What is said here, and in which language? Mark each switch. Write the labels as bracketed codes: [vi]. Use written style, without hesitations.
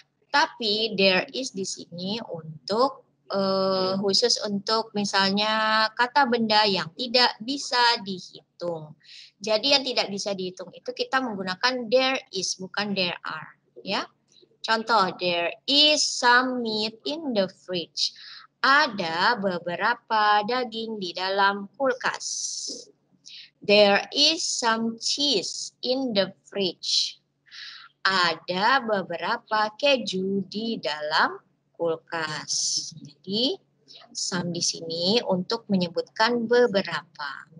[id] Tapi there is di sini untuk khusus untuk misalnya kata benda yang tidak bisa dihitung. Jadi yang tidak bisa dihitung itu kita menggunakan there is bukan there are, ya. Contoh [en] there is some meat in the fridge. [id] Ada beberapa daging di dalam kulkas. [en] There is some cheese in the fridge. [id] Ada beberapa keju di dalam kulkas. Jadi some di sini untuk menyebutkan beberapa.